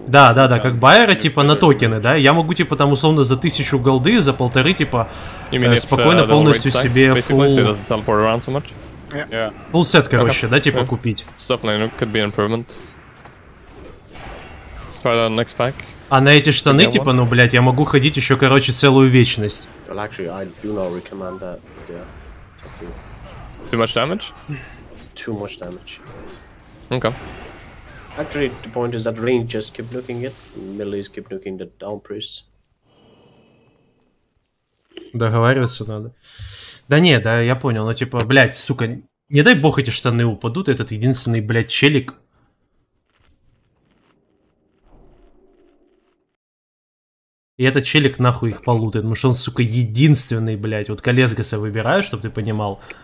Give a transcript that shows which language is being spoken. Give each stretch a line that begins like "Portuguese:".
Russian: Да, как байера, типа, на токены, да? Я могу, типа, там, условно, за 1000 голды, за 1500, типа, спокойно полностью себе фулл... Фулл сет, короче, да, типа, купить.
English: Definitely could be an improvement. Let's try that on next pack.
Russian: А на эти штаны, типа, ну, блядь, я могу ходить еще, короче, целую вечность.
English: Well, actually, I do not recommend that, yeah. Too much damage? Too much damage. Okay. Actually, the point is that range just keep nuking it, melees keep nuking the down priest.
Russian: Договариваться надо. Да не, да, я понял, но типа, блядь, сука, не дай бог эти штаны упадут, этот единственный, блядь, челик. И этот челик нахуй их полутает, потому что он, сука, единственный, блядь, вот Колесгаса выбираю, чтобы ты понимал.